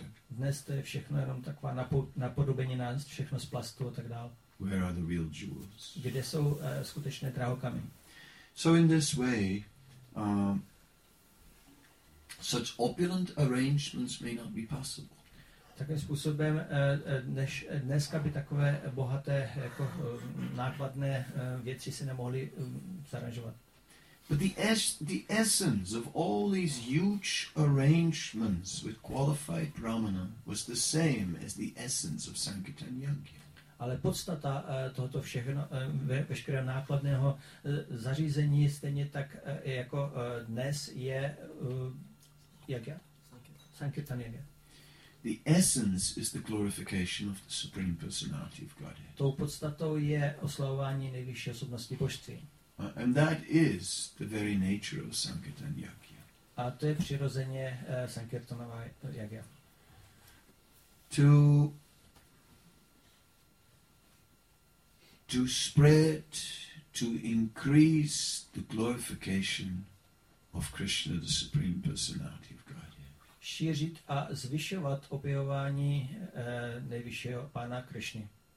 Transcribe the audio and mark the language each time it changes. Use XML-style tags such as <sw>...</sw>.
<cs>Dnes to je všechno jenom taková napodobenina, všechno z plastu a tak dál.</cs> <en>Where are the real jewels?</en> <cs>Kde jsou skutečné drahokamy?</cs> <en>So in this way, such opulent arrangements may not be possible.</en> <cs>Takým způsobem dneska by takové bohaté jako nákladné věci se nemohly zaranžovat.</cs> <en>But the essence of all these huge arrangements with qualified brahmana was the same as the essence of Sankirtan Yagya.</en> <cs>Ale podstata tohoto všechno, veškerého nákladného zařízení stejně tak jako dnes je yagya. Sankirtan yagya.</cs> <en>The essence is the glorification of the Supreme Personality of Godhead.</en> <cs>Tou podstatou je oslavování nejvyšší osobnosti božství.</cs> <en>And that is the very nature of Sankirtan yagya.</en> <cs>A to je přirozeně Sankirtanova yagya.</cs> <en>To spread, to increase the glorification of Krishna, the Supreme Personality of Godhead.</en> <cs>Šířit a zvyšovat objevování nejvyššího pána Krishny.</cs>